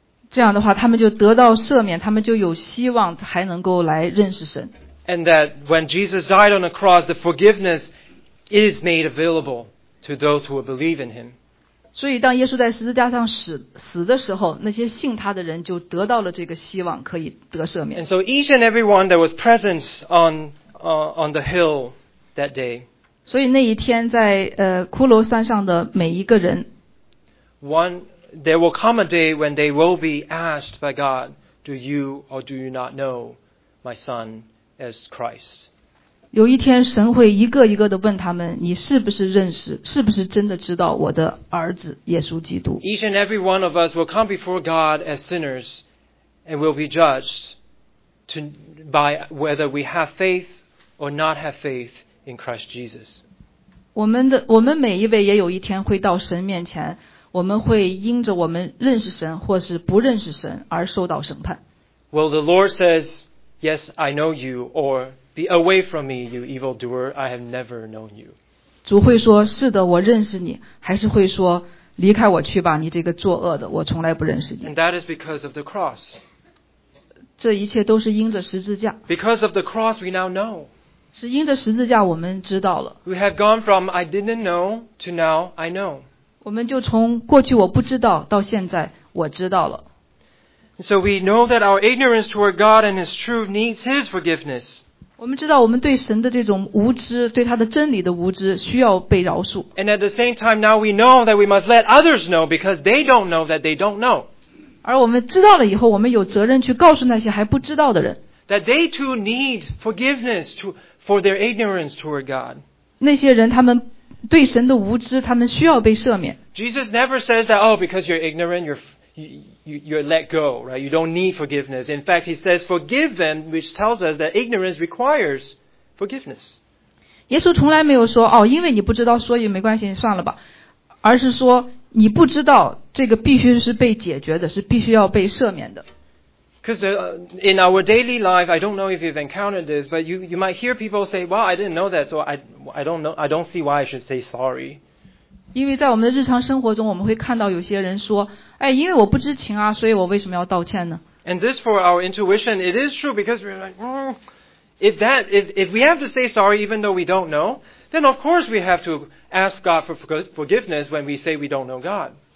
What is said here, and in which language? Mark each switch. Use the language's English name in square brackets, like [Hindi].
[Chinese] 这样的话，他们就得到赦免，他们就有希望还能够来认识神。 [English] And that when Jesus died on the cross, the forgiveness is made available to those who believe in him. [Chinese] 所以当耶稣在十字架上死的时候，那些信他的人就得到了这个希望，可以得赦免。 [English] And so each and everyone that was present on the hill that day. [Chinese] 所以那一天在骷髅山上的每一个人。 [English] There will come a day when they will be asked by God, Do you or do you not know my son as Christ? [Chinese] 有一天神会一个一个的问他们，你是不是认识，是不是真的知道我的儿子耶稣基督。 [English] Each and every one of us will come before God as sinners and will be judged by whether we have faith or not have faith in Christ Jesus. [Chinese] 我们每一位也有一天会到神面前，我们会因着我们认识神或是不认识神而受到审判。 [English] Well, the Lord says, yes, I know you, or be away from me, you evildoer, I have never known you. [Chinese] 主会说，是的，我认识你，还是会说，离开我去吧，你这个作恶的，我从来不认识你。 [English] And that is because of the cross. [Chinese] 这一切都是因着十字架。 [English] Because of the cross, we now know. [Chinese] 是因着十字架我们知道了。 [English] We have gone from I didn't know to now I know. [Chinese] 我们就从过去我不知道到现在我知道了。 [English] So we know that our ignorance toward God and His truth needs His forgiveness. [Chinese] 我们知道我们对神的这种无知，对他的真理的无知需要被饶恕。 [English] And at the same time, now we know that we must let others know because they don't know that they don't know. [Chinese] 而我们知道了以后，我们有责任去告诉那些还不知道的人。 [English] That they too need forgiveness for their ignorance toward God. [Chinese] 那些人他们对神的无知，他们需要被赦免。 [English] Jesus never says that, oh, because you're ignorant, you're let go, right? You don't need forgiveness. In fact, he says, forgive them, which tells us that ignorance requires forgiveness. [Chinese] 耶稣从来没有说，哦，因为你不知道，所以没关系，算了吧。而是说，你不知道，这个必须是被解决的，是必须要被赦免的。 [English] Because in our daily life, I don't know if you've encountered this, but you might hear people say, well, I didn't know that, so I don't see why I should say sorry. [Chinese] 因为在我们的日常生活中，我们会看到有些人说，哎，因为我不知情啊，所以我为什么要道歉呢？ [English] And this for our intuition, it is true because we're like, if we have to say sorry even though we don't know, then of course we have to ask God for forgiveness when we say we don't know God.